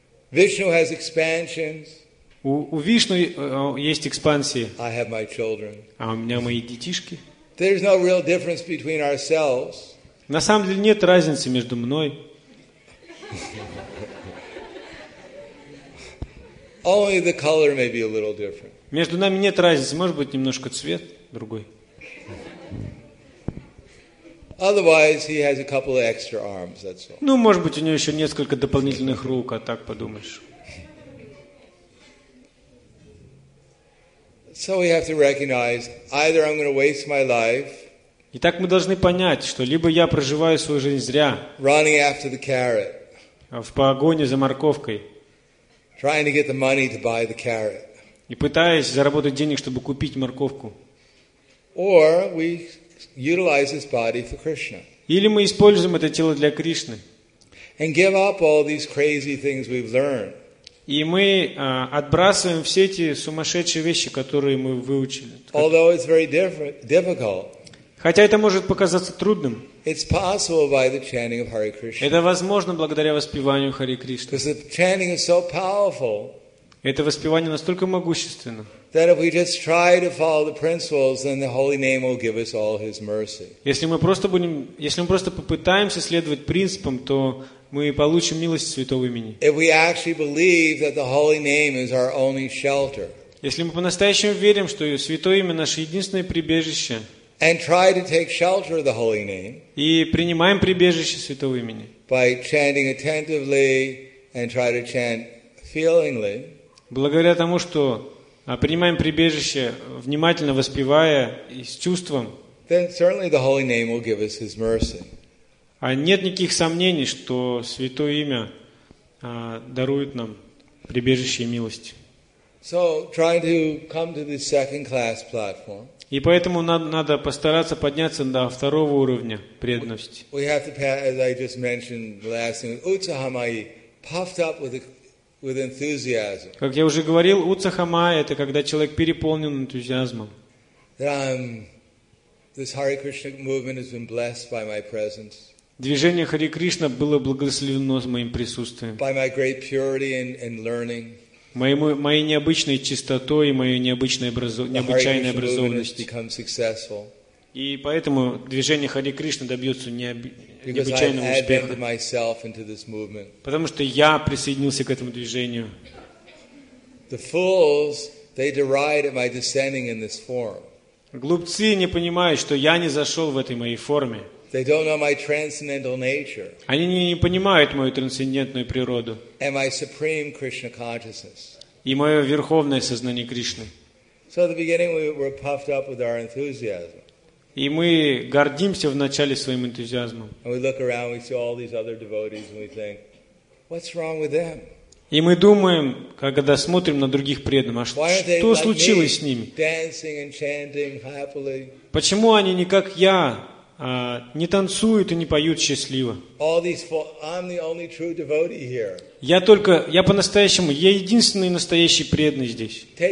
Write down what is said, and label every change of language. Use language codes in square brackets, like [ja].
[en] Vishnu has expansions. [ru] У Вишну есть экспансии. [en] I have my children. [ru] А у меня мои детишки. [en] There's no real difference between ourselves. [ru] На самом деле нет разницы между мной. [en] Only the color may be a little different. [ru] Между нами нет разницы. Может быть, немножко цвет другой. [en] Otherwise, he has a couple of extra arms. That's all. [ru] Ну, может быть, у него еще несколько дополнительных рук, а так подумаешь. [en] So we have to recognize either I'm going to waste my life. [ru] Итак, мы должны понять, что либо я проживаю свою жизнь зря. [en] Running after the carrot. [ru] В погоне за морковкой. [en] Trying to get the money to buy the carrot. [ru] И пытаясь заработать денег, чтобы купить морковку. [en] Or we utilize this body for Krishna. [ru] Или мы используем это тело для Кришны. [en] And give up all these crazy things we've learned. [ru] И мы отбрасываем все эти сумасшедшие вещи, которые мы выучили. [en] Although it's very difficult. [ru] Хотя это может показаться трудным. [en] It's possible by the chanting of Hare Krishna. [ru] Это возможно благодаря воспеванию Харе Кришны. [en] Because the chanting is so powerful. [ru] Это воспевание настолько могущественно. [en] That if we just try to follow the principles, then the holy name will give us all His mercy. [ru] Если мы просто попытаемся следовать принципам, то мы получим милость Святого имени. [en] If we actually believe that the holy name is our only shelter. [ru] Если мы по-настоящему верим, что Святое имя наше единственное прибежище. [en] And try to take shelter of the holy name. [ru] И принимаем прибежище Святого имени. [en] By chanting attentively and try to chant feelingly. [ru] Благодаря тому, что принимаем прибежище, внимательно воспевая и с чувством. [en] Then certainly the holy name will give us His mercy. [ru] А нет никаких сомнений, что Святое имя дарует нам прибежище и милость. [en] So try to come to the second class platform. [ru] И поэтому надо постараться подняться до второго уровня преданности. [en] We have to pass, as I just mentioned, the last thing, Utsahamayi, puffed up with with enthusiasm. [ru] Как я уже говорил, уцахама – это когда человек переполнен энтузиазмом. [en] This Hare Krishna movement has been blessed by my presence. [ru] Движение Хари Кришна было благословено моим присутствием. [en] By my great purity and learning. [ru] Моей необычной чистотой и моей необычайной образованностью. И поэтому движение Хари Кришна добьется необычайного успеха. Потому что я присоединился к этому движению. [en] The fools, they deride at my descending in this form. [ru] Глупцы не понимают, что я не зашел в этой моей форме. [en] They don't know my transcendental nature. [ru] Они не понимают мою трансцендентную природу. [en] And my supreme Krishna consciousness. [ru] И мое верховное сознание Кришны. [en] So at the beginning we were puffed up with our enthusiasm. [ru] И мы гордимся вначале своим энтузиазмом. [en] And we look around, we see all these other devotees, and we think, what's wrong with them? [ru] И мы думаем, когда смотрим на других преданных, а что случилось с ними? [en] Dancing and chanting happily. [ru] Почему они не как я? Не танцуют и не поют счастливо. Я по-настоящему, я единственный настоящий преданный здесь.